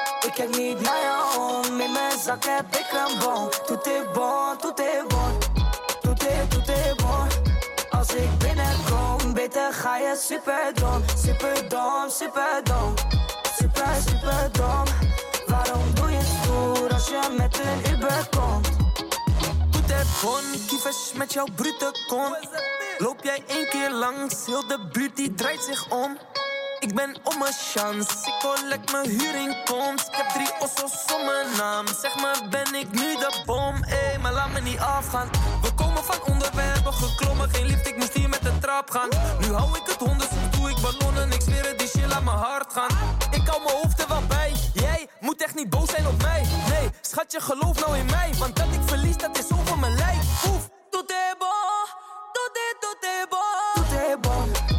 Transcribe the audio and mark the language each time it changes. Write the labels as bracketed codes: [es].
[nl] Ik kijk niet naar jou om, in mijn zak heb ik een bon. [fr] Tout est bon, tout est bon, tout est bon. [nl] Als ik binnenkom, beter ga je super dom. Super dom, super dom, super, super dom. Waarom doe je stoer als je met een Uber komt? [fr] Tout est bon, [nl] kievers met jouw brute kont. Loop jij één keer langs, heel de buurt die draait zich om. Ik ben om mijn chance, ik collect mijn huurinkomst. Ik heb drie ossos om mijn naam, zeg maar ben ik nu de bom. Ey, maar laat me niet afgaan. We komen van onder, we hebben geklommen. Geen lift, ik moest hier met de trap gaan. Nu hou ik het honden, zo doe ik ballonnen. Ik zweer het, die shit laat mijn hart gaan. Ik hou mijn hoofd er wel bij. Jij moet echt niet boos zijn op mij. Nee, schatje, geloof nou in mij. Want dat ik verlies, dat is over mijn lijf. [fr] Oef, tout est bon, tout est, tout est bon.